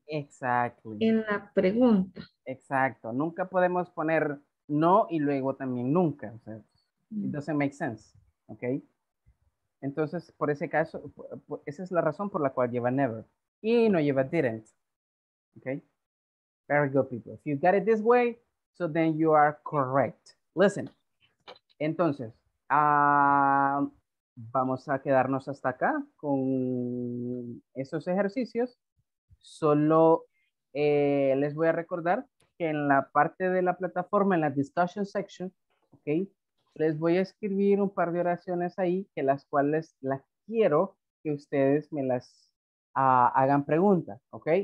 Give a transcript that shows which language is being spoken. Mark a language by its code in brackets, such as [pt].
[es] Exacto. En la pregunta. Exacto. Nunca podemos poner no y luego también nunca. O sea, [en] it doesn't make sense. [es] ¿Ok? Entonces, por ese caso, esa es la razón por la cual lleva never. Y no lleva [en] didn't. Okay, very good people. If you got it this way, so then you are correct. [es] Listen, entonces, vamos a quedarnos hasta acá con esos ejercicios. Solo les voy a recordar que en la parte de la plataforma, en la discussion section, okay, les voy a escribir un par de oraciones ahí, que las cuales las quiero que ustedes me las hagan preguntas, ¿ok?